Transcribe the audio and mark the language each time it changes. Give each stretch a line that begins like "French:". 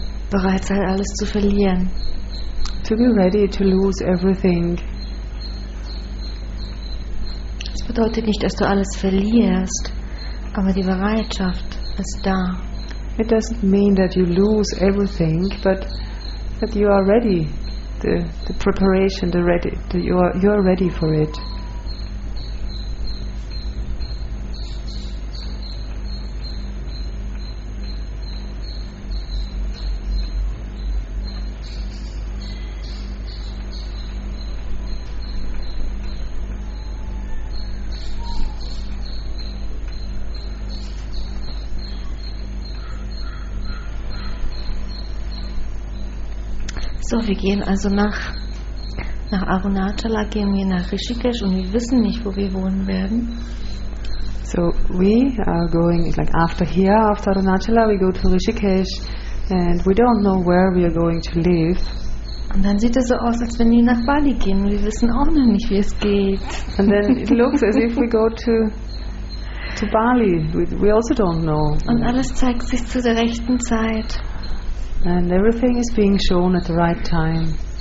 German: Bereit sein, alles zu verlieren.
English: To be ready to lose everything.
German: Das bedeutet nicht, dass du alles verlierst, aber die Bereitschaft ist da.
English: It doesn't mean that you lose everything, but that you are ready. The preparation, the ready, you are ready for it.
German: So, wir gehen also nach Arunachala, gehen wir nach Rishikesh und wir wissen nicht, wo wir wohnen werden.
English: So, we are going, like after here, after Arunachala, we go to Rishikesh and we don't know where we are going to live.
German: Und dann sieht es so aus, als wenn wir nach Bali gehen und wir wissen auch noch nicht, wie es geht.
English: And then it looks as if we go to Bali. We also don't know.
German: Und alles zeigt sich zu der rechten Zeit.
English: And everything is being shown at the right time.